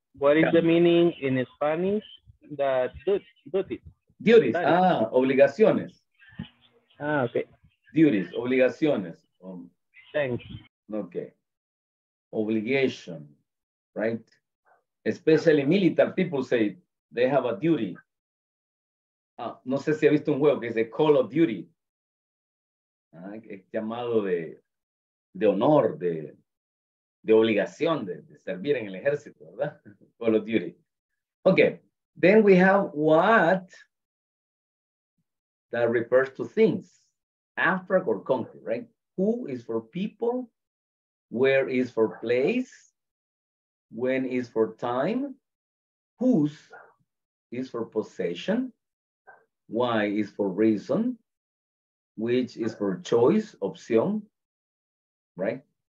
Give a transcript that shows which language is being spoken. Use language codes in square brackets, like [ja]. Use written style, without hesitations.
[en] What is the meaning in Spanish that duties? [es] Duties, obligaciones. [en] Ah, okay. [es] Duties, obligaciones. [en] Thanks. Okay. Obligation, right? Especially military people say they have a duty. [es] No sé si ha visto un juego que es de Call of Duty. Es llamado de honor, de obligación de servir en el ejército, ¿verdad? [en] Call of Duty. Okay, then we have what that refers to things. Abstract or concrete, right? Who is for people, where is for place, when is for time, whose is for possession, why is for reason, which is for choice, opción, right?